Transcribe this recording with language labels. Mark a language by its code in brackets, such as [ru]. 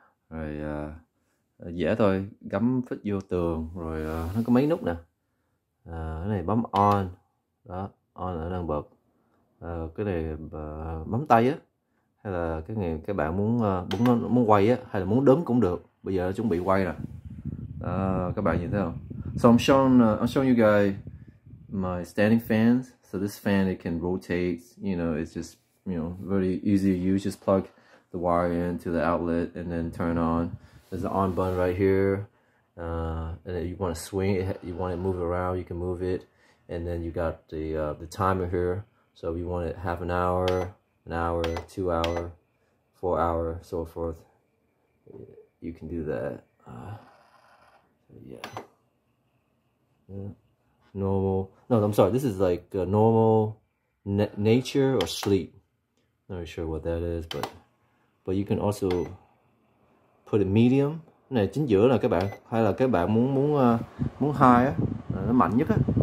[vi] Rồi dễ thôi, gắm phích vô tường, rồi nó có mấy nút nè. Cái này bấm on, đó, on là đang bật. Cái này bấm tay á, hay là cái này các bạn muốn muốn quay á, hay là muốn đứng cũng được. Bây giờ nó chuẩn bị quay nè. Các bạn nhìn thấy không? [en] So I'm showing you guys my standing fans. So this fan, it can rotate, it's just, very easy to use. Just plug the wire into the outlet and then turn on. There's an on button right here. And if you want to swing it, you want to move it around, you can move it. And then you got the timer here. So if you want it half an hour, 2 hour, 4 hour, so forth, you can do that. Normal. No, I'm sorry. This is like normal nature or sleep. Not really sure what that is, but you can also put it medium. [vi] Này chính giữa là các bạn, hay là các bạn muốn muốn muốn high á, nó mạnh nhất á.